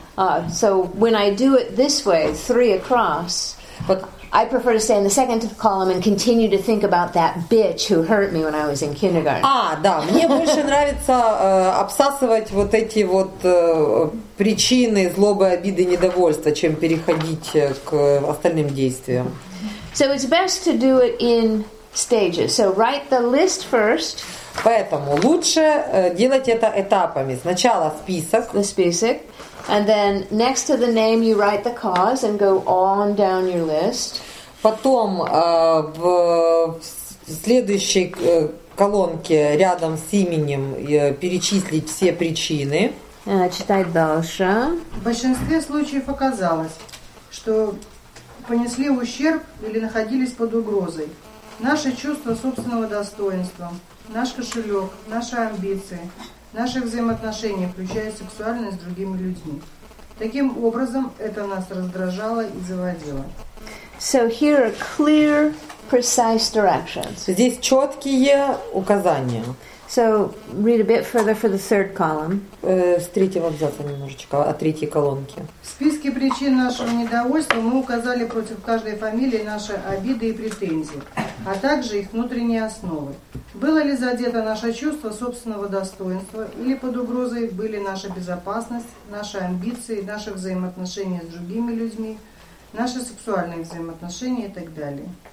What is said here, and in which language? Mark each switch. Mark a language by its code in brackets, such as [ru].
[en] So when I do it this way, three across, but I prefer to stay in the second column and continue to think about that bitch who hurt me when I was in kindergarten. [ru] А, да, мне больше нравится обсасывать вот эти вот причины злобы, обиды, недовольства, чем переходить к остальным действиям. [en] So it's best to do it in stages. So write the list first. [ru] Поэтому лучше делать это этапами. Сначала список. The список. [en] And then next to the name you write the cause and go on down your list. [ru] Потом в следующей колонке рядом с именем перечислить все причины. Читать дальше. В большинстве случаев оказалось, что понесли ущерб или находились под угрозой. Наше чувство собственного достоинства, наш кошелек, наши амбиции, наши взаимоотношения, включая сексуальность с другими людьми. Таким образом, это нас раздражало и заводило. [en] So here are clear, precise directions. [ru] Здесь четкие указания. [en] So read a bit further for the third column. [ru] С третьего абзаца немножечко, от третьей колонки. В списке причин нашего недовольства мы указали против каждой фамилии наши обиды и претензии, а также их внутренние основы. Было ли задето наше чувство собственного достоинства, или под угрозой были наша безопасность, наши амбиции, наши взаимоотношения с другими людьми, наши сексуальные взаимоотношения и так далее.